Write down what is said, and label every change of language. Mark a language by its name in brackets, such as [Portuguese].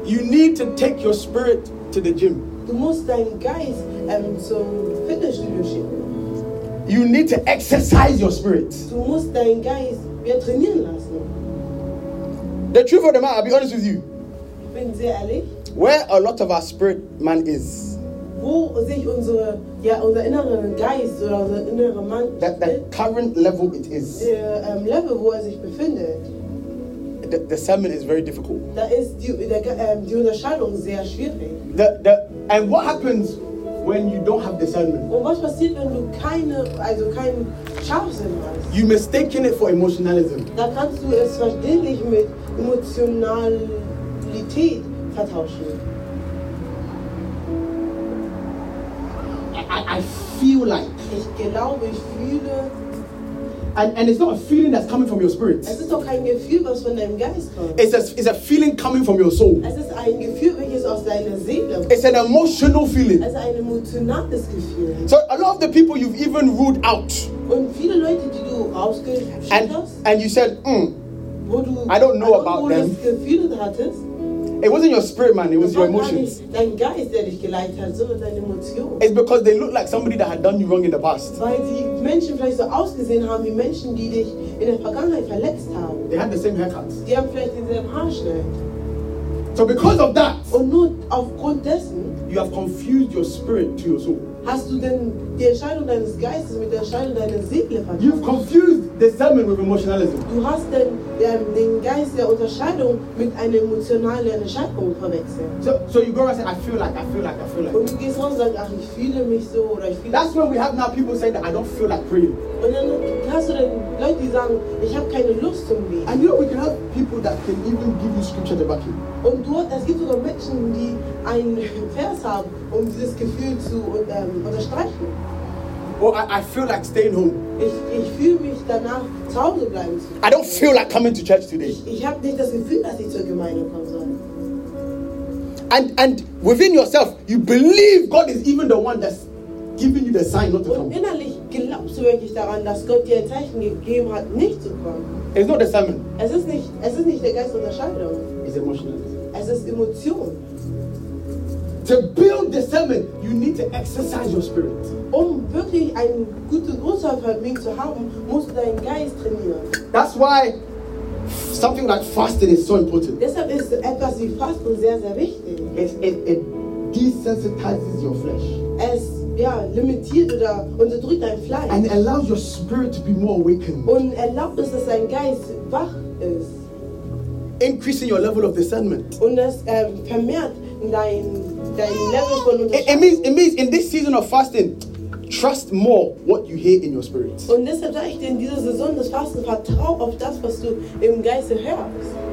[English] You need to take your spirit to the gym. [German] Du musst deinen Geist zum Fitnessstudio schicken. [English] You need to exercise your spirit. [German] Du musst deinen Geist wieder trainieren lassen. [English] The truth of the matter, I'll be honest with you. [German] Ich bin sehr ehrlich. [English] Where a lot of our spirit man is. [German] Wo sich unser innerer Geist oder unser innerer Mann befindet. [English] That current level it is. [German] Der Level, wo sich befindet. [English] The discernment is very difficult. [German] Da ist die Unterscheidung sehr schwierig. [English] And what happens when you don't have discernment? [German] Und was passiert, wenn du kein scharfes hast? [English] You mistaken it for emotionalism. [German] Da kannst du es verständlich mit Emotionalität vertauschen. [English] I feel like. [German] Ich glaube, ich fühle. [English] And it's not a feeling that's coming from your spirit. [German] Es ist doch kein Gefühl, was von deinem Geist kommt. [English] It's a feeling coming from your soul. [German] Es ist ein Gefühl, welches aus deiner Seele kommt. [English] It's an emotional feeling. [German] Es ist ein emotionales Gefühl. [English] So a lot of the people you've even ruled out. [German] Und viele Leute, die du ausgeschlossen hast. [English] And you said, [German] wo du, [English] I don't know about [German] wo [English] them. [German] Das Gefühl hattest. [English] It wasn't your spirit, man. It was your emotions. [German] Dein Geist, der dich geleitet hat, sondern deine Emotionen. [English] It's because they look like somebody that had done you wrong in the past. [German] Weil die Menschen vielleicht so ausgesehen haben wie Menschen, die dich in der Vergangenheit verletzt haben. [English] They had the same haircuts. [German] Die haben vielleicht dieselben Haarschnitt. [English] So because of that. [German] Und nur aufgrund dessen. [English] You have confused your spirit to your soul. [German] Hast du denn die Entscheidung deines Geistes mit der Entscheidung deiner Seele vertauscht? [English] You've confused discernment with emotionalism. [German] Du hast den Geist der Unterscheidung mit einer emotionalen Entscheidung verwechselt. [English] So you go and say, I feel like. [German] Und du gehst raus und sagst, ach, ich fühle mich so oder ich fühle. [English] That's when we have now people saying that I don't feel like praying. [German] Und dann hast du dann Leute, die sagen, ich habe keine Lust zum Beten. [English] And you know, we can have people that can even give you scripture to back you. [German] Und dort, es gibt sogar Menschen, die einen Vers haben, dieses Gefühl zu unterstreichen. [English] Oh, I feel like staying home. [German] Ich fühle mich danach, zu Hause bleiben zu können. [English] I don't feel like coming to church today. [German] Ich habe nicht das Gefühl, dass ich zur Gemeinde kommen soll. [English] And within yourself, you believe God is even the one that's giving you the sign not to [German] und [English] come. [German] Und innerlich glaubst du wirklich daran, dass Gott dir ein Zeichen gegeben hat, nicht zu kommen. [English] It's not the sermon. [German] Es ist nicht der Geist Unterscheidung. [English] It's emotional. [German] Es ist Emotion. [English] To build the sermon, you need to exercise your spirit. [German] Um wirklich ein gutes Grundsatzvermögen zu haben, musst du deinen Geist trainieren. [English] That's why something like fasting is so important. [German] Deshalb ist etwas wie Fasten sehr, sehr wichtig. [English] It desensitizes your flesh. [German] Es limitiert oder unterdrückt dein Fleisch. [English] And allows your spirit to be more awakened. [German] Und erlaubt es, dass dein Geist wach ist. [English] Increasing your level of discernment. [German] Und es vermehrt dein Level von Unterscheidung. [English] It means in this season of fasting, trust more what you hear in your spirit. [German] Und deshalb sage ich dir, in dieser Saison des Fastens, vertrau auf das, was du im Geiste hörst.